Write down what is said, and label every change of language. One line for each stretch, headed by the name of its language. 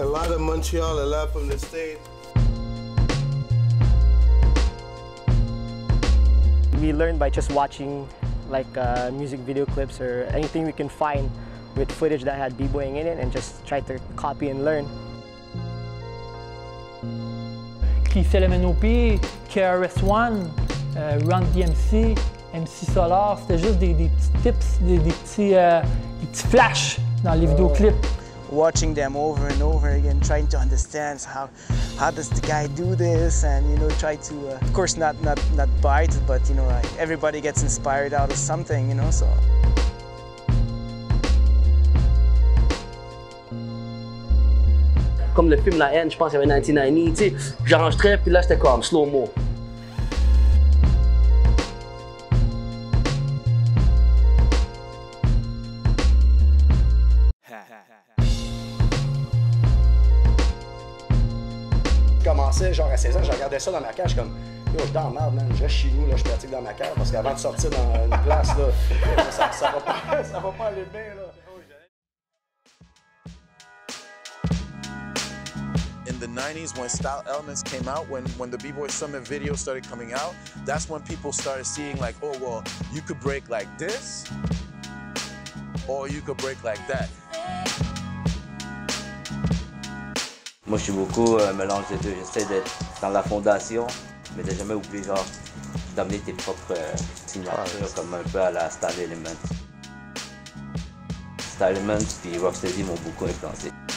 English: A lot of Montreal, a lot from the state. We learned by just watching like music video clips or anything we can find with footage that had b-boying in it and just try to copy and learn.
French: Keith LMNOP, KRS-One, Run DMC, MC Solar, c'était juste des petits tips, des petits flashs dans les video clips.
English: Watching them over and over again, trying to understand how does the guy do this, and you know, try to of course not buy it, but you know, like, everybody gets inspired out of something, you know. So
French: comme le film La Haine, je pense il y avait 1990, tu sais, j'enregistrais puis là c'était comme slow mo. Genre à 16 ans, je regardais ça dans ma cage comme yo, je dors mal, man. Je reste chez nous, là, je pratique dans ma cage parce qu'avant de sortir dans une place, là, ça va pas aller bien. Là.
English: the 90s when Style Elements came out, when the B-Boy Summit video started coming out, that's when people started seeing like, oh, well, you could break like this, or you could break like that.
French: Moi, je suis beaucoup mélange des deux. J'essaie d'être dans la fondation, mais de jamais oublier genre d'amener tes propres signatures, comme un peu à la Style Elements. Style Elements puis Rocksteady m'ont beaucoup influencé.